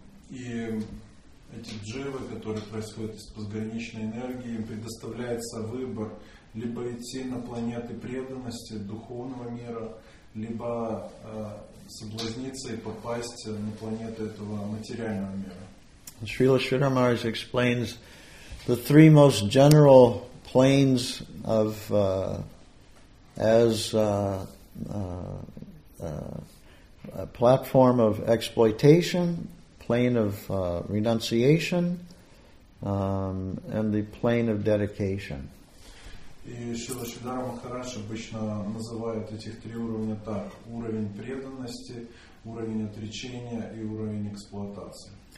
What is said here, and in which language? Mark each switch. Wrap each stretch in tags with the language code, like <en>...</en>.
<ru>Эти дживы, которые происходят из пограничной энергии, им предоставляется выбор либо идти на планеты преданности духовного мира, либо соблазниться и попасть на планеты этого материального мира.</ru> <en>Srila Shridhar explains the three most general planes of a platform of exploitation, plane of renunciation, and the plane of dedication.</en> <ru>И Шрила Шридхара Махарадж обычно называет этих три уровня так: уровень преданности, уровень отречения и уровень эксплуатации.</ru>